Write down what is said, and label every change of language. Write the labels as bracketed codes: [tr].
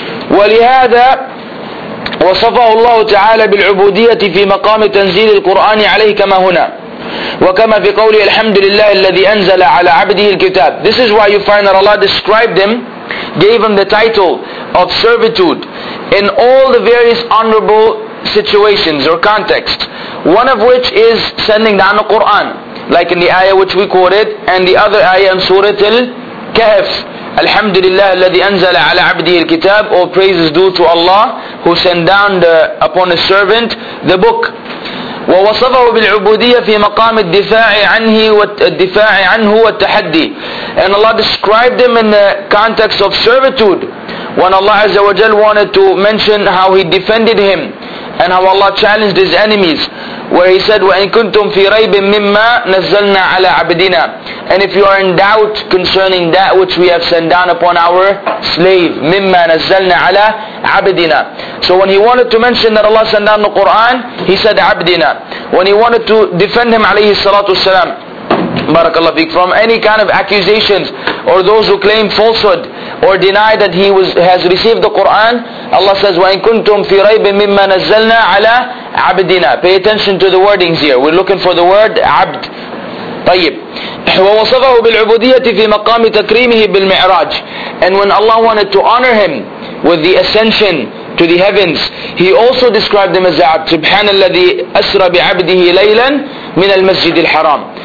[ar] وَلِهَذَا وَصَفَهُ اللَّهُ تَعَالَى بِالْعُبُودِيَةِ فِي مَقَامِ تَنْزِيلِ الْقُرْآنِ عَلَيْهِ كَمَا هُنَا وكما في قوله الحمد لله الذي أنزل على عبده الكتاب. [en] This is why you find that Allah described him, gave him the title of servitude in all the various honorable situations or contexts, one of which is sending down the Quran, like in the ayah which we quoted, and the other ayah in Surah Al-Kahf. [ar] الحمد لله الذي أنزل على عبده الكتاب. [en] All praise is due to Allah who sent down upon his servant the book. [ar] ووصفه بالعبودية في مقام الدفاع عنه والدفاع عنه والتحدي. [en] And Allah described him in the context of servitude, when Allah Azza wa Jal wanted to mention how he defended him and how Allah challenged his enemies, where he said, [ar] وَإِن كُنْتُمْ فِي رَيْبٍ مِمَّا نَزَّلْنَا عَلَىٰ عَبْدِنَا. [en] And if you are in doubt concerning that which we have sent down upon our slave, [ar] مِمَّا نَزَّلْنَا عَلَىٰ عَبْدِنَا. [en] So when he wanted to mention that Allah sent down the Quran, he said عَبْدِنَا. When he wanted to defend him [ar] عليه الصلاة والسلام, بارك الله فيك, [en] from any kind of accusations or those who claim falsehood or deny that he was has received the Quran, Allah says, [ar] وَإِن كُنْتُمْ فِي رَيْبٍ مِمَّا نَزَّلْنَا عَلَىٰ عَبْدِنَا. [en] Pay attention to the wordings here. We're looking for the word عبد. [ar] طيب. وَوَصَفَهُ بِالْعُبُودِيَّةِ فِي مَقَامِ تَكْرِيمِهِ بِالْمِعْرَاجِ. [en] And when Allah wanted to honor him with the ascension to the heavens, he also described him as عبد. [ar] سبحان الذي أسرى بعبده ليلا من المسجد الحرام.